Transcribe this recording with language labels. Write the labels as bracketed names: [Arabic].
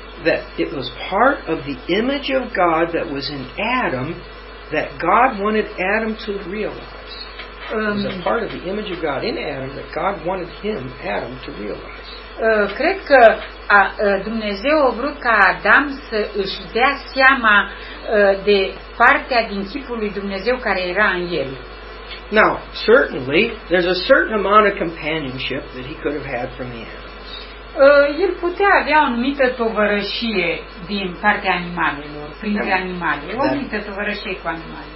[English] That it was part of the image of God that was in Adam that God wanted Adam to realize. It was a part of the image of God in Adam that God wanted him, Adam, to realize. [Romanian] Cred că Dumnezeu a vrut ca Adam să își dea seama de partea din chipul lui Dumnezeu care era în el. [English] Now, certainly, there's a certain amount of companionship that he could have had from the animals. [Romanian] El putea avea o anumită tovărășie din partea animalelor, printre animale, o anumită tovărășie cu animale.